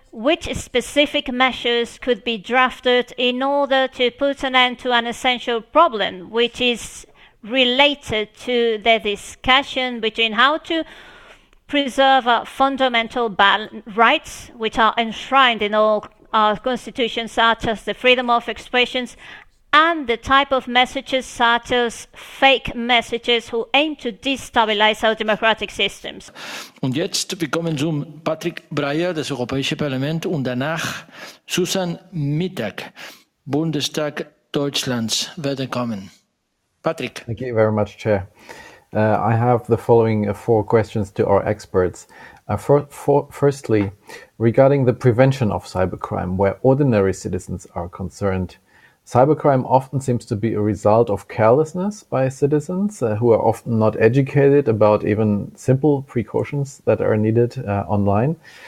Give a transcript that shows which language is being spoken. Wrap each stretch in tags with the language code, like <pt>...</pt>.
<en>Which specific measures could be drafted in order to put an end to an essential problem, which is related to the discussion between how to preserve our fundamental rights, which are enshrined in all our constitutions, such as the freedom of expressions, and the type of messages, such as fake messages, who aim to destabilize our democratic systems.</en> <de>Und jetzt willkommen zum Patrick Breyer, des Europäischen Parlament, und danach Susan Mittag, Bundestag Deutschlands, werden kommen. Patrick.</de> <en>Thank you very much, Chair. I have the following four questions to our experts. Firstly, regarding the prevention of cybercrime, where ordinary citizens are concerned, cybercrime often seems to be a result of carelessness by citizens who are often not educated about even simple precautions that are needed online.</en>